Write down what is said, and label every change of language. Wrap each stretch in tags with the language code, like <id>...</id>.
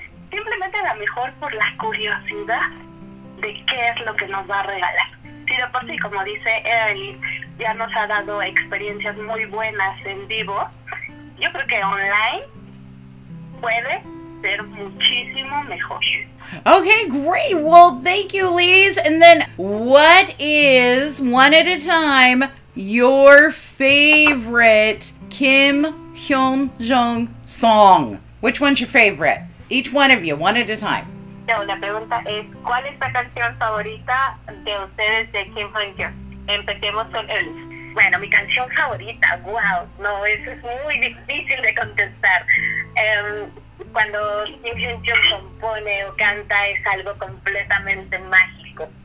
<es>Simplemente a lo mejor por la curiosidad de qué es lo que nos va a regalar. Si de por sí, como dice Evelyn, ya nos ha dado experiencias muy buenas en vivo, yo creo que online puede ser muchísimo mejor.</es> <en>Okay, great. Well, thank you, ladies. And then, what is, one at a time, your favorite Kim Hyun Jung song. Which one's your favorite? Each one of you, one at a time.</en> <es>No, la pregunta es, ¿cuál es la canción favorita de ustedes de Kim Hyun Jung? Empecemos con él. Bueno, mi canción favorita, wow, no, eso es muy difícil de contestar. Cuando Kim Hyun Jung compone o canta es algo completamente mágico.</es>